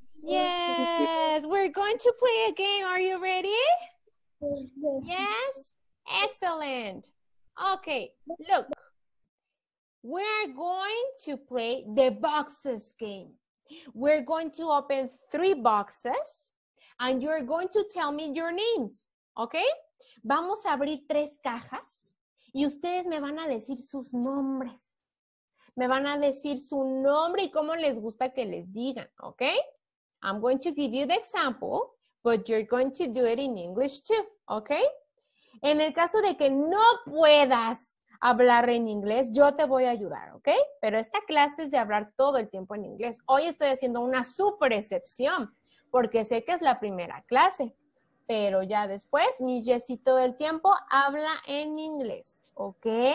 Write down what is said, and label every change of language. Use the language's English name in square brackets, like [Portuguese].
[English] Yes, we're going to play a game. Are you ready? Yes? Excellent. Okay, look. We're going to play the boxes game. We're going to open three boxes and you're going to tell me your names, okay? [Spanish] Vamos a abrir tres cajas y ustedes me van a decir sus nombres. Me van a decir su nombre y cómo les gusta que les digan, okay? [English] I'm going to give you the example, but you're going to do it in English too, okay? [Spanish] En el caso de que no puedas hablar en inglés, yo te voy a ayudar, ¿ok? Pero esta clase es de hablar todo el tiempo en inglés. Hoy estoy haciendo una super excepción, porque sé que es la primera clase. Pero ya después, mi Jessie todo el tiempo habla en inglés, ¿ok?